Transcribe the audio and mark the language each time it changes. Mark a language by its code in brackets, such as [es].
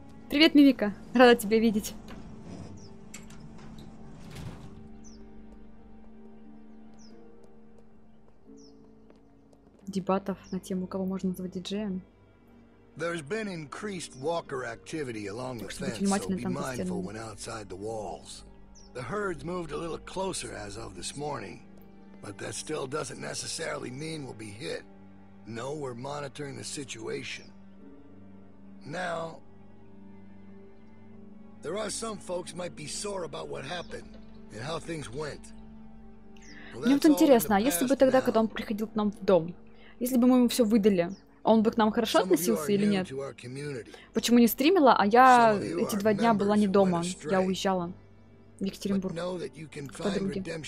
[ru] Привет, Мимика. Рада тебя видеть. Дебатов на тему, кого можно назвать диджеем. [en] There's been increased walker activity along the fence, so be mindful when outside the walls. The herds moved a little closer as of this morning, but that still doesn't necessarily mean we'll be hit. No, we're monitoring the situation. Now, there are some folks might be sore about what happened and how things went. [ru] Мне вот интересно, а если бы тогда, когда он приходил к нам в дом, если бы мы ему все выдали, он бы к нам хорошо относился или нет? Почему не стримила, а я эти два дня была не дома, я уезжала в Екатеринбург подруге.